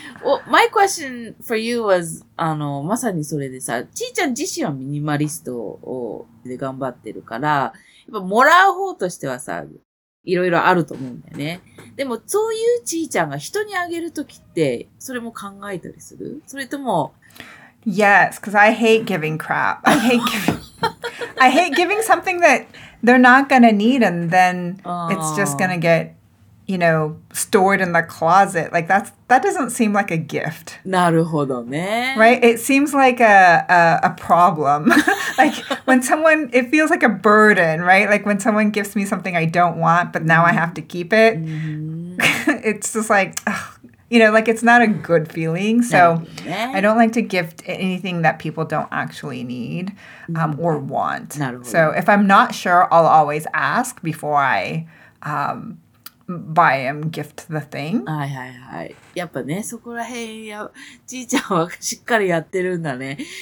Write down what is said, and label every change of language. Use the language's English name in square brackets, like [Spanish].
[English] Well, my question for you was, [Japanese] まさにそれでさ、ちーちゃん自身はミニマリストをで頑張ってるから、やっぱもらう方としてはさ、いろいろあると思うんだよね。でも、そういうちーちゃんが人にあげるときって、それも考えたりする？それとも、 [English] Yes, because I hate giving crap. I hate giving something that they're not going to need and then it's just going to get, you know, stored in the closet. Like that doesn't seem like a gift. [Japanese] なるほどね。 [English] Right? It seems like a problem. Like when someone, it feels like a burden, right? Like when someone gives me something I don't want, but now I have to keep it. It's just like, ugh. You know, like it's not a good feeling. So I don't like to gift anything that people don't actually need or want. So if I'm not sure, I'll always ask before I buy and gift the thing. [Japanese] はいはいはい。やっぱね、そこら辺や、じいちゃんはしっかりやってるんだね。